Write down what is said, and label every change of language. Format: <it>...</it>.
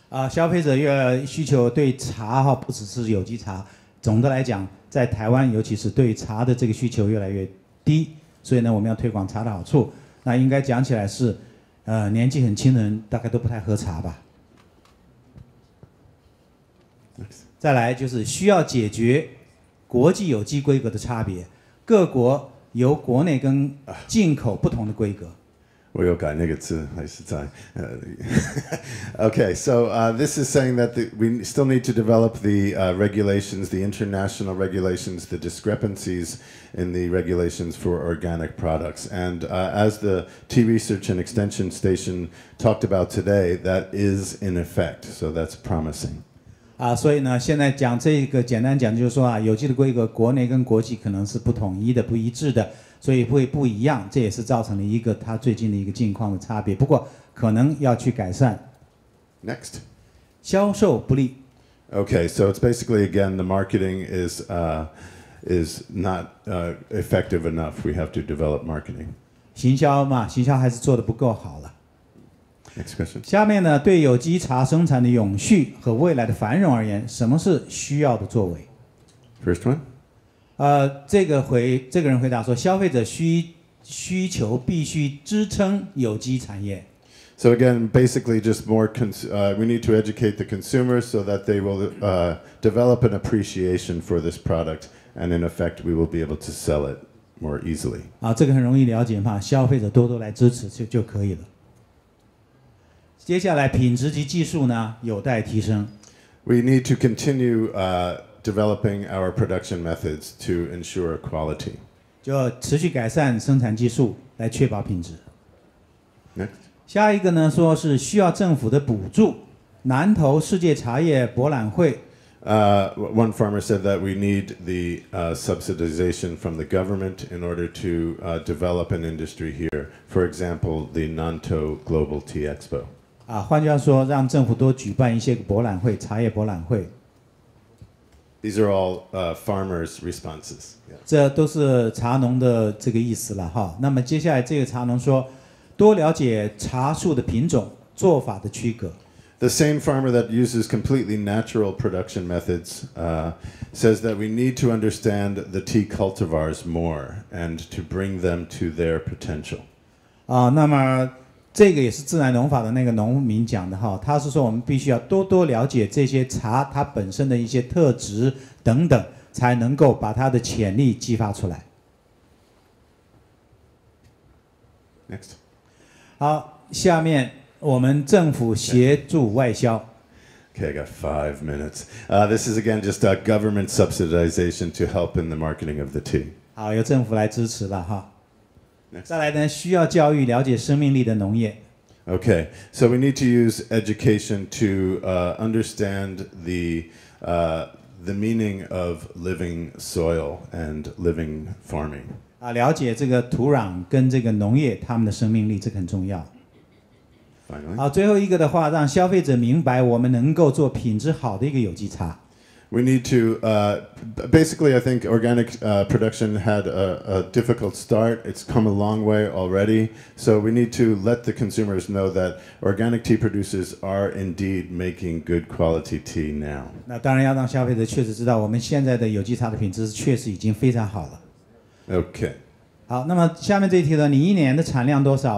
<zh>消费者越需求对茶哈，不只是有机茶，总的来讲。在台湾尤其是对茶的这个需求越来越低，所以呢我们要推广茶的好处。那应该讲起来是年纪很轻的人大概都不太喝茶吧。再来就是需要解决国际有机规格的差别，各国由国内跟进口不同的规格。我有改那个字，还是在。</zh> <en>Okay, so this is saying that we still need to develop the regulations, the international regulations, the discrepancies in the regulations for organic products. And as the Tea Research and Extension Station talked about today, that is in effect. So that's promising.</en> <zh>所以呢，现在讲这个简单讲就是说啊，有机的规格国内跟国际可能是不统一的、不一致的。所以会不一样，这也是造成了一个它最近的一个境况的差别。不过可能要去改善。</zh> <en>Next，</en> <zh>销售不利。</zh> <en>Okay, so it's basically again the marketing is not effective enough. We have to develop marketing.</en> <zh>行销嘛，行销还是做得不够好了。</zh> <en>Next question。</en> <zh>下面呢，对有机茶生产的永续和未来的繁荣而言，什么是需要的作为</zh> <en>？First one。</en> <zh>这个人回答说，消费者需求必须支撑有机产业。</zh> <en>So again, basically, just more we need to educate the consumers so that they will develop an appreciation for this product, and in effect, we will be able to sell it more easily.</en> <zh>这个很容易了解嘛，消费者多多来支持就可以了。接下来，品质及技术呢，有待提升。</zh> <en>We need to continue. Developing our production methods to ensure quality.</en> <zh>就要持续改善生产技术来确保品质。</zh> <en>Next.</en> <zh>下一个呢，说是需要政府的补助。南投世界茶叶博览会。</zh> <en>One farmer said that we need the subsidization from the government in order to develop an industry here. For example, the Nanto Global Tea Expo.</en> <zh>换句话说，让政府多举办一些博览会，茶叶博览会。</zh> <en>These are all farmers' responses.</en> <zh>这都是茶农的这个意思了哈。那么接下来这个茶农说，多了解茶树的品种、做法的区隔。</zh> <en>The same farmer that uses completely natural production methods says that we need to understand the tea cultivars more and to bring them to their potential.</en> <zh>那么这个也是自然农法的那个农民讲的哈，他是说我们必须要多多了解这些茶它本身的一些特质等等，才能够把它的潜力激发出来。</zh> <en>Next，</en> <zh>好，下面我们政府协助外销。</zh> <en>Okay, I got 5 minutes. This is again just a government subsidization to help in the marketing of the tea.</en> <zh>好，由政府来支持了哈。</zh> <en>Next.</en> <zh>再来呢，需要教育了解生命力的农业。</zh> <en>Okay, so we need to use education to understand the meaning of living soil and living farming.</en> <zh>了解这个土壤跟这个农业他们的生命力，这个很重要。</zh> <en>Finally.</en> <zh>最后一个的话，让消费者明白我们能够做品质好的一个有机茶。</zh> <en>We need to, basically, I think organic production had a difficult start. It's come a long way already. So we need to let the consumers know that organic tea producers are indeed making good quality tea now.</en> <zh>那当然要让消费者确实知道我们现在的有机茶的品质确实已经非常好了。</zh> <en>Okay.</en> <zh>好，那么下面这一题呢，你一年的产量多少？</zh>